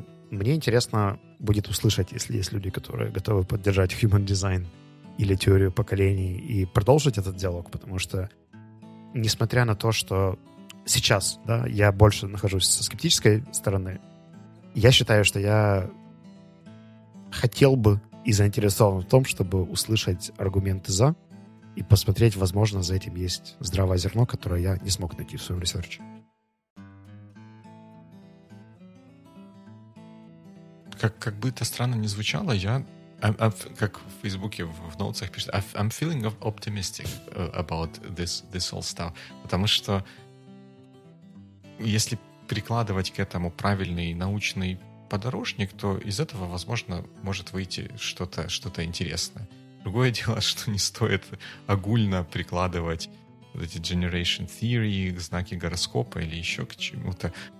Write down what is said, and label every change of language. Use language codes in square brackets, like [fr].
[ru] Мне интересно будет услышать, если есть люди, которые готовы поддержать human design или теорию поколений и продолжить этот диалог, потому что, несмотря на то, что сейчас, да, я больше нахожусь со скептической стороны, я считаю, что я хотел бы и заинтересован в том, чтобы услышать аргументы «за» и посмотреть, возможно, за этим есть здравое зерно, которое я не смог найти в своем ресерче. Как бы это странно ни звучало, я... [en] как в Фейсбуке, в ноутсах пишет, I'm feeling optimistic about this whole stuff. [ru] Потому что если прикладывать к этому правильный научный подорожник, то из этого, возможно, может выйти что-то интересное. Другое дело, что не стоит огульно прикладывать эти generation theory, знаки гороскопа или еще к чему-то.